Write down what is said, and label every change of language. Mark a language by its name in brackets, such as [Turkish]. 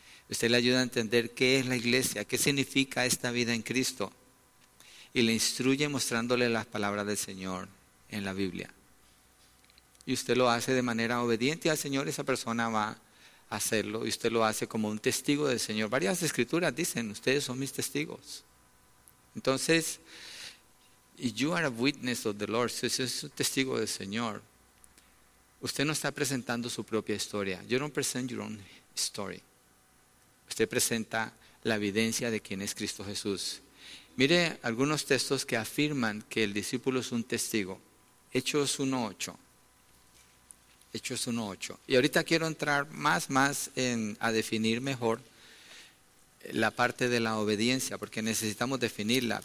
[Spanish] Usted le ayuda a entender qué es la iglesia, qué significa esta vida en Cristo. Y le instruye mostrándole las palabras del Señor en la Biblia. Y usted lo hace de manera obediente al Señor, esa persona va a hacerlo. Y usted lo hace como un testigo del Señor. Varias escrituras dicen, ustedes son mis testigos. [English] Entonces, you are a witness of the Lord. [Spanish] Si usted es un testigo del Señor, usted no está presentando su propia historia. [English] You don't present your own story. [Spanish] Usted presenta la evidencia de quién es Cristo Jesús. Mire algunos textos que afirman que el discípulo es un testigo. Hechos 1.8. Hechos 1.8. Y ahorita quiero entrar más en a definir mejor la parte de la obediencia, porque necesitamos definirla.